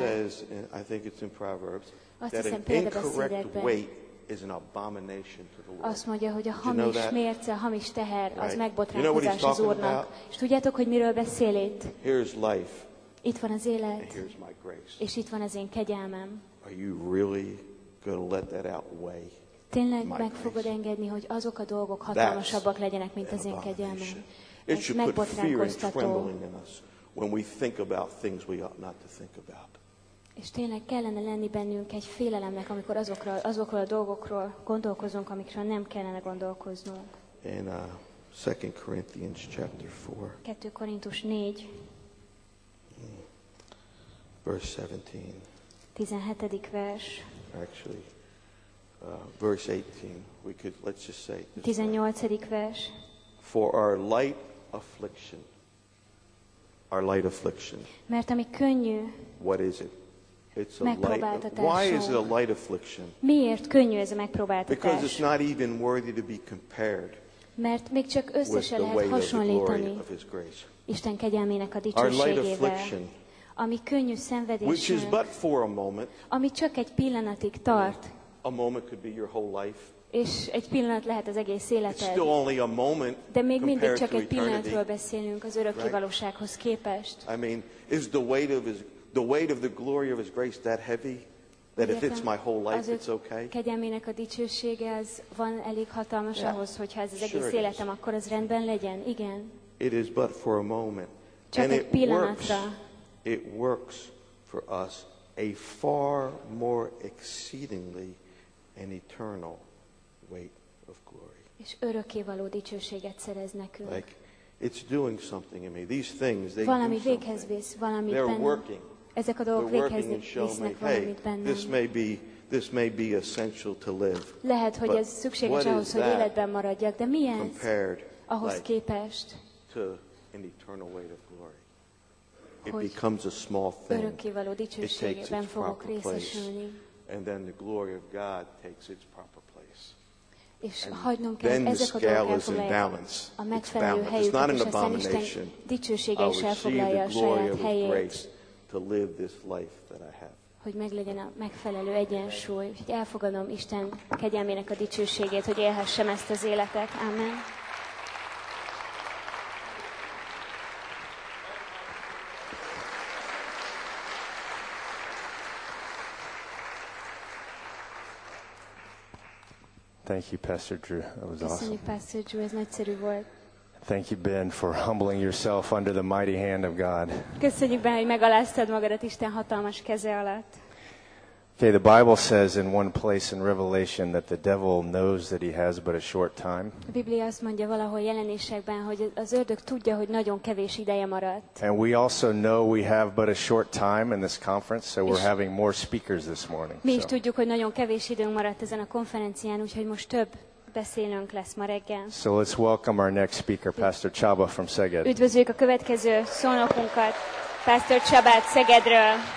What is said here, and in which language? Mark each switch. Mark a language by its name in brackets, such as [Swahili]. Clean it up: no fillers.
[English] I think it's in Proverbs, that an incorrect weight is an abomination to the Lord. [Hungarian] Azt mondja, hogy a hamis mérce, a hamis teher, az megbotránkozás az Úrnak. És tudjátok, hogy miről beszél itt? [English] Here's life. [Hungarian] Itt van az élet. [English] And here's my grace. [Hungarian] És itt van az én kegyelmem. [English] Are you really going to let that outweigh? [Hungarian] Tényleg meg fogod engedni, hogy azok a dolgok hatalmasabbak legyenek, mint az én kegyelmem. [English] It should put fear and trembling in us when we think about things we ought not to think about. [Hungarian] És tényleg kellene lenni bennünk egy félelemnek, amikor azokról a dolgokról gondolkozunk, amikről nem kellene gondolkoznunk. [English] In 2 Corinthians chapter 4. [Hungarian] 2 Korintus 4. [English] Verse 17. [Hungarian] 17. vers. [English] Actually, verse 18. We could, let's just say. [Hungarian] 18. vers. [English] For our light affliction. Our light affliction. [Hungarian] Mert ami könnyű. [English] What is it? It's a light. Why is it a light affliction? [Hungarian] Miért könnyű ez a megpróbáltatás? [English] Because it's not even worthy to be compared. [Hungarian] Mert még csak össze se lehet hasonlítani Isten kegyelmének a dicsőségével. Ami könnyű szenvedésünk. [English] Which is but for a moment. [Hungarian] Ami csak egy pillanatig tart. [English] A moment could be your whole life. [Hungarian] És egy pillanat lehet az egész életed. [English] It's still only a moment. [Hungarian] De még mindig csak egy pillanatról beszélünk az örökké valósághoz képest. [English] I mean, is the weight of his the weight of the glory of his grace that heavy that if it's my whole life it's okay? [Hungarian] Kegyelmének a dicsősége az van elég hatalmas ahhoz, hogyha ez az egész életem, akkor az rendben legyen. Igen. [English] It is but for a moment. [Hungarian] Csak egy pillanatra. [English] It works for us a far more exceedingly and eternal weight of glory. [Hungarian] és örökkévaló dicsőséget szerez nekünk. [English] Like, it's doing something in me. These things, they [Hungarian] valami véghez visz, valami [English] they're [Hungarian] bennem. [English] Working. [Hungarian] Ezek a dolgok véghez visznek valamit bennem. [English] This may be essential to live. [Hungarian] Lehet, hogy ez szükséges ahhoz, hogy életben maradjak, de mi ez ahhoz képest, [English] to an eternal weight of glory. It becomes a small thing. [Hungarian] Örökkévaló dicsőségben fogok részesülni. [English] And then the glory of God takes its proper place. [Hungarian] És hagynom kell, ezek a dolgok elfoglalják a megfelelő helyüket, és aztán Isten dicsősége is elfoglalja a saját helyét. [English] To live this life that I have. [Hungarian] Hogy meglegyen a megfelelő egyensúly, hogy elfogadom Isten kegyelmének a dicsőségét, hogy élhessem ezt az életet. [English] Amen. Thank you, Pastor Drew. That was awesome. [Hungarian] Köszönjük, Pastor Drew. Ez nagyszerű volt. [English] Thank you, Ben, for humbling yourself under the mighty hand of God. [Hungarian] Köszönjük, Ben, hogy megaláztad magadat Isten hatalmas keze alatt. [English] Okay, the Bible says in one place in Revelation that the devil knows that he has but a short time. [Hungarian] A Biblia azt mondja valahol jelenésekben, hogy az ördög tudja, hogy nagyon kevés ideje maradt. [English] And we also know we have but a short time in this conference, so we're having more speakers this morning. [Hungarian] Mi is tudjuk, hogy nagyon kevés időnk maradt ezen a konferencián, úgyhogy most több beszélünk lesz ma reggel. [English] So let's welcome our next speaker, Pastor Csaba from Szeged. [Hungarian] Üdvözlők a következő szónokunkat, Pastor Csabát Szegedről.